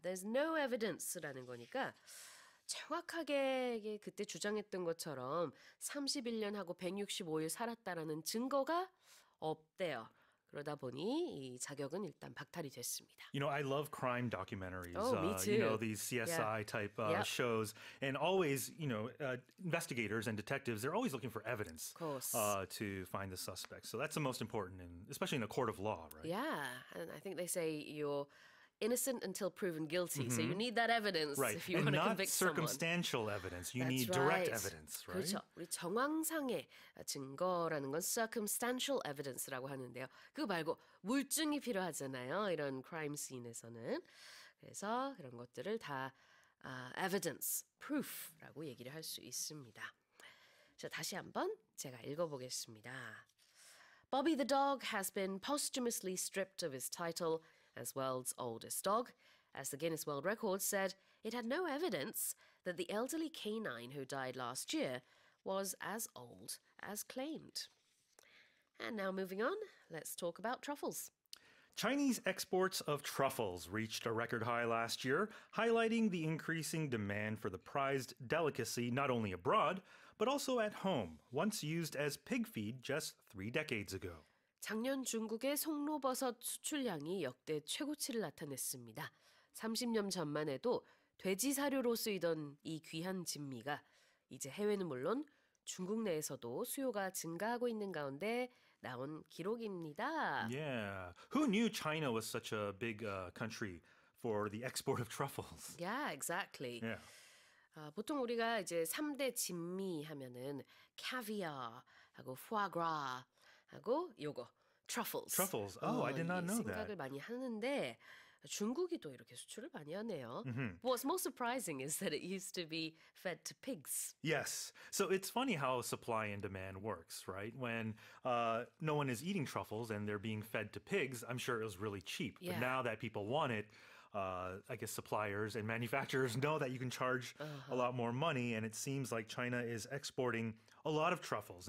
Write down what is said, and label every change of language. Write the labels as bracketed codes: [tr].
[en] There's no evidence [ko] 라는 거니까 정확하게 그때 주장했던 것처럼 31년하고 165일 살았다라는 증거가 없대요. 그러다 보니 이 자격은 일단 박탈이 됐습니다. [en] You know, I love crime documentaries. Oh, me too. You know, these CSI yeah. type yep. shows. And always, you know, investigators and detectives, they're always looking for evidence to find the suspect. So that's the most important, in, especially in a court of law, right? Yeah, and I think they say you're innocent until proven guilty. Mm-hmm. So you need that evidence right. if you want to convict someone. And not circumstantial evidence. You that's need right. direct evidence, right? [ko] 그렇죠. 우리 정황상의 증거라는 건 circumstantial evidence라고 하는데요. 그거 말고 물증이 필요하잖아요. 이런 crime scene에서는. 그래서 그런 것들을 다 evidence, proof라고 얘기를 할 수 있습니다. 자, 다시 한번 제가 읽어보겠습니다. [en] Bobby the dog has been posthumously stripped of his title as world's oldest dog. As the Guinness World Records said, it had no evidence that the elderly canine who died last year was as old as claimed. And now moving on, let's talk about truffles. Chinese exports of truffles reached a record high last year, highlighting the increasing demand for the prized delicacy not only abroad, but also at home, once used as pig feed just three decades ago. [ko] 작년 중국의 송로버섯 수출량이 역대 최고치를 나타냈습니다. 30년 전만 해도 돼지 사료로 쓰이던 이 귀한 진미가 이제 해외는 물론 중국 내에서도 수요가 증가하고 있는 가운데 나온 기록입니다. [en] Yeah, who knew China was such a big country for the export of truffles? Yeah, exactly. Yeah. [ko] 보통 우리가 이제 3대 진미 하면은 caviar하고 foie gras 하고 요거 truffles. [en] Truffles. Oh, I did not know that. [ko] 생각을 많이 하는데 중국이 또 이렇게 수출을 많이 하네요. Mm-hmm. [en] What's most surprising is that it used to be fed to pigs. Yes. So it's funny how supply and demand works, right? When no one is eating truffles and they're being fed to pigs, I'm sure it was really cheap. Yeah. But now that people want it, I guess suppliers and manufacturers know that you can charge a lot more money, and it seems like China is exporting a lot of truffles.